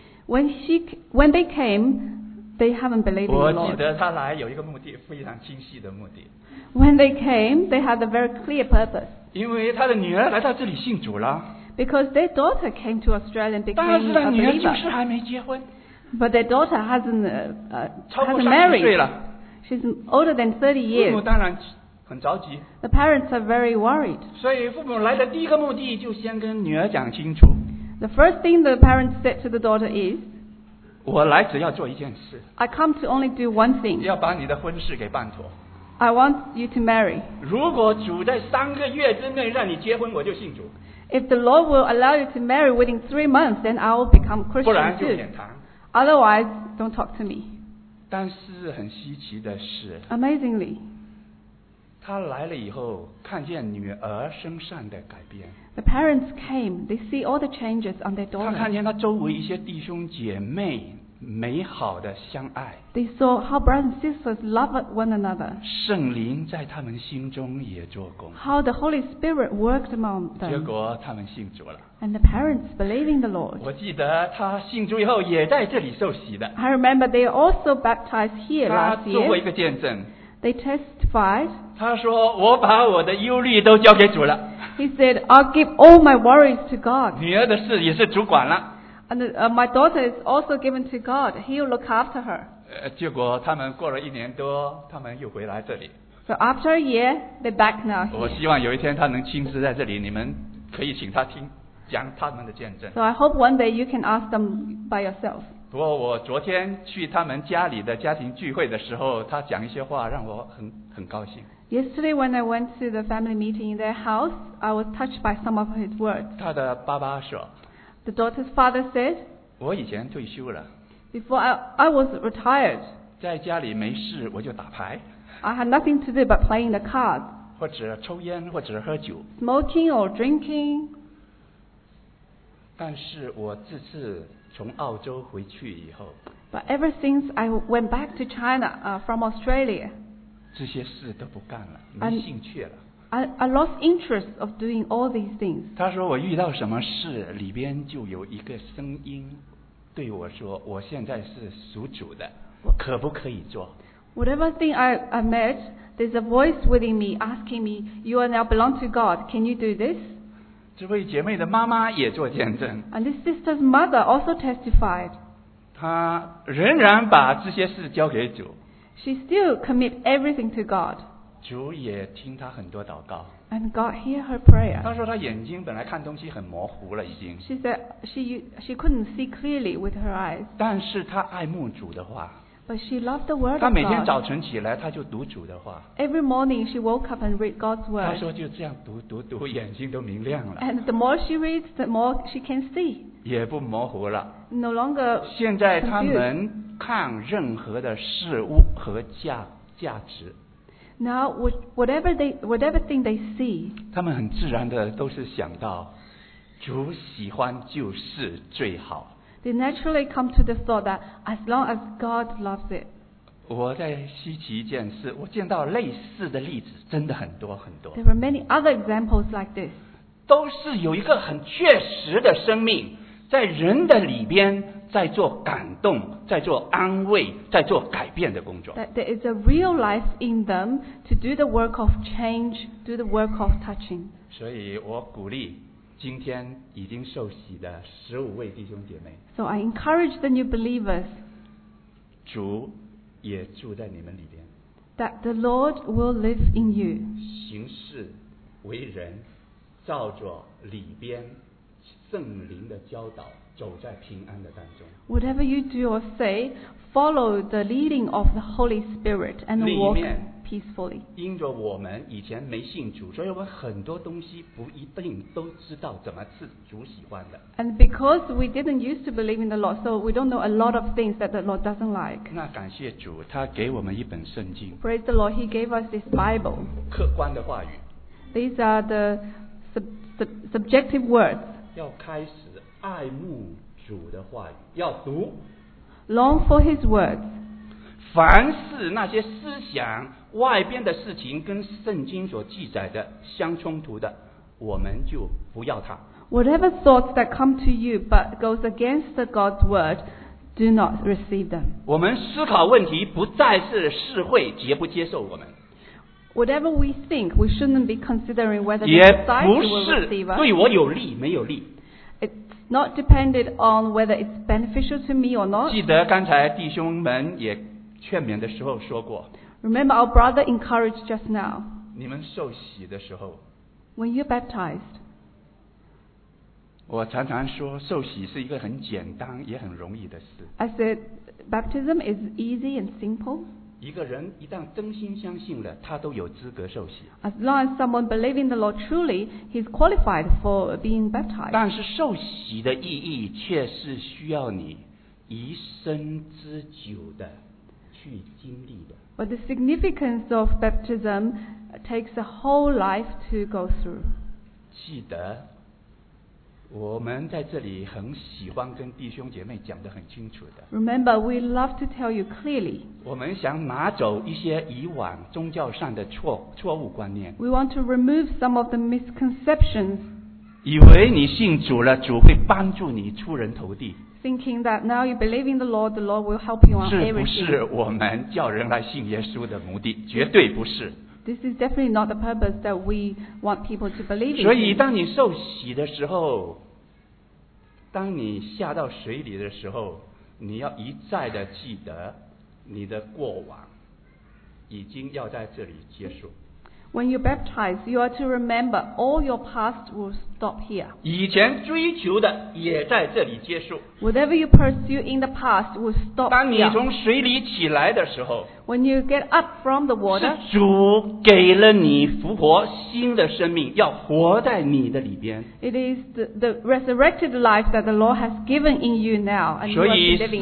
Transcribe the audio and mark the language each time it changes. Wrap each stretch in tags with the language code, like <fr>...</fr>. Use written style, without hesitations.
<en>When they came, they haven't believed in the Lord.</en> <zh>我记得她来有一个目的，非常清晰的目的。</zh> <en>When they came, they had a very clear purpose.</en> <zh>因为她的女儿来到这里信主了。</zh> <en>Because their daughter came to Australia and became a believer.</en> <zh>但是她女儿就是还没结婚。</zh> <en>But their daughter hasn't married. She's older than 30 years.</en> <zh>父母当然很着急。</zh> <en>The parents are very worried.</en> <zh>所以父母来的第一个目的就先跟女儿讲清楚。</zh> <en>The first thing the parents said to the daughter is,</en> <zh>我来只要做一件事。</zh> <en>I come to only do one thing.</en> <zh>要把你的婚事给办妥。</zh> <en>I want you to marry.</en> <zh>如果主在三个月之内让你结婚，我就信主。</zh> <en>If the Lord will allow you to marry within 3 months, then I will become Christian too.</en> <zh>不然就免谈。</zh> <en>Otherwise, don't talk to me.</en> <zh>但是很稀奇的是</zh> <en>，Amazingly，</en> <zh>他来了以后看见女儿身上的改变。</zh> <en>The parents came. They see all the changes on their daughter.</en> <zh>他看见他周围一些弟兄姐妹美好的相爱。</zh> <en>They saw how brothers and sisters love one another.</en> <zh>圣灵在他们心中也做工。</zh> <en>How the Holy Spirit worked among them.</en> <zh>结果他们信主了。</zh> <en>And the parents believe in the Lord.</en> <zh>我记得他信主以后也在这里受洗的。</zh> <en>I remember they also baptized here last year.</en> <zh>他作为一个见证。</zh> <en>They testified.</en> <zh>他说我把我的忧虑都交给主了。</zh> <en>He said, I'll give all my worries to God.</en> <zh>女儿的事也是主管了。</zh> <en>And my daughter is also given to God. He'll look after her.</en> <zh>结果他们过了一年多，他们又回来这里。</zh> <en>So after a year, they're back now here.</en> <zh>我希望有一天他能亲自在这里，你们可以请他听。讲他们的见证。</zh> <en>So I hope one day you can ask them by yourself.</en> <zh>不过我昨天去他们家里的家庭聚会的时候，他讲一些话让我很高兴。</zh> <en>Yesterday when I went to the family meeting in their house, I was touched by some of his words.</en> <zh>他的爸爸说。</zh> <en>The daughter's father said.</en> <zh>我以前退休了。</zh> <en>Before I was retired.</en> <zh>在家里没事我就打牌。</zh> <en>I had nothing to do but playing the cards.</en> <zh>或者抽烟或者喝酒。</zh> <en>Smoking or drinking.</en> <zh>但是我这次从澳洲回去以后</zh> <en>But ever since I went back to China, from Australia,</en> <zh>这些事都不干了，没兴趣了。</zh> <en>I lost interest of doing all these things.</en> <zh>他说我遇到什么事，里边就有一个声音对我说，我现在是属主的，我可不可以做？</zh> <en>Whatever thing I met, there's a voice within me asking me, you are now belong to God, can you do this?</en> <zh>这位姐妹的妈妈也做见证。</zh> <en>And this sister's mother also testified.</en> <zh>她仍然把这些事交给主。</zh> <en>She still commit everything to God.</en> <zh>主也听她很多祷告。</zh> <en>And God hear her prayer.</en> <zh>她说她眼睛本来看东西很模糊了已经。</zh> <en>She said she couldn't see clearly with her eyes.</en> <zh>但是她爱慕主的话。</zh> <en>But she loved the word of God.</en> <zh>她每天早晨起来她就读主的话。</zh> <en>Every morning she woke up and read God's word.</en> <zh>她说就这样读读读眼睛都明亮了。</zh> <en>And the more she reads, the more she can see.</en> <zh>也不模糊了。</zh> <en>No longer confused.</en> <zh>现在她能看任何的事物和价值。</zh> <en>Now whatever thing they see.</en> <zh>她们很自然的都是想到主喜欢就是最好。</zh> <en>They naturally come to the thought that as long as God loves it.</en> <zh>我在稀奇一件事，我见到类似的例子真的很多很多。</zh> <en>There were many other examples like this.</en> <zh>都是有一个很确实的生命在人的里边，在做感动，在做安慰，在做改变的工作。</zh> <en>That there is a real life in them to do the work of change, do the work of touching.</en> <zh>所以我鼓励今天已经受洗的15位弟兄姐妹。</zh> <en>So I encourage the new believers.</en> <zh>主也住在你们里边。</zh> <en>That the Lord will live in you.</en> <zh>行事为人，照着里边圣灵的教导，走在平安的当中。</zh> <en>Whatever you do or say, follow the leading of the Holy Spirit and walk.</en> <zh>里面</zh> <en>peacefully.</en> <zh>因着我们以前没信主，所以我们很多东西不一定都知道怎么是主喜欢的。</zh> <en>And because we didn't used to believe in the Lord, so we don't know a lot of things that the Lord doesn't like.</en> <zh>那感谢主，他给我们一本圣经。</zh> <en>Praise the Lord, He gave us this Bible.</en> <zh>客观的话语。</zh> <en>These are the subjective words.</en> <zh>要开始爱慕主的话语，要读。</zh> <en>Long for His words.</en> <zh>凡是那些思想外边的事情跟圣经所记载的相冲突的，我们就不要它。</zh> <en>Whatever thoughts that come to you but goes against the God's word, do not receive them.</en> <zh>我们思考问题不再是是会接不接受我们。</zh> <en>Whatever we think, we shouldn't be considering whether the society will receive us.</en> <zh>也不是对我有利没有利。</zh> <en>It's not dependent on whether it's beneficial to me or not.</en> <zh>记得刚才弟兄们也。劝勉的时候说过。</zh> <en>Remember our brother encouraged just now.</en> <zh>你们受洗的时候。</zh> <en>When you're baptized.</en> <zh>我常常说受洗是一个很简单也很容易的事。</zh> <en>I said baptism is easy and simple.</en> <zh>一个人一旦真心相信了，他都有资格受洗。</zh> <en>As long as someone believes in the Lord truly, he's qualified for being baptized.</en> <zh>但是受洗的意义却是需要你一生之久的。</zh> <en>But the significance of baptism takes a whole life to go through.</en> <zh>记得，我们在这里很喜欢跟弟兄姐妹讲得很清楚的。</zh> <en>Remember, we love to tell you clearly.</en> <zh>我们想拿走一些以往宗教上的错误观念。</zh> <en>We want to remove some of the misconceptions.</en> <zh>以为你信主了，主会帮助你出人头地。</zh> <en>Thinking that now you believe in the Lord will help you on everything.</en> <zh>是不是我们叫人来信耶稣的目的？绝对不是。</zh> <en>This is definitely not the purpose that we want people to believe in.</en> <zh>所以，当你受洗的时候，当你下到水里的时候，你要一再的记得你的过往已经要在这里结束。</zh> <en>When you baptize, you are to remember all your past will stop here.</en> <zh>以前追求的也在这里结束。</zh> <en>Whatever you pursue in the past will stop here.</en> <zh>当你从水里起来的时候。</zh> <en>When you get up from the water.</en> <zh>是主给了你复活新的生命，要活在你的里边。</zh> <en>It is the resurrected life that the Lord has given in you now, and you are living</en>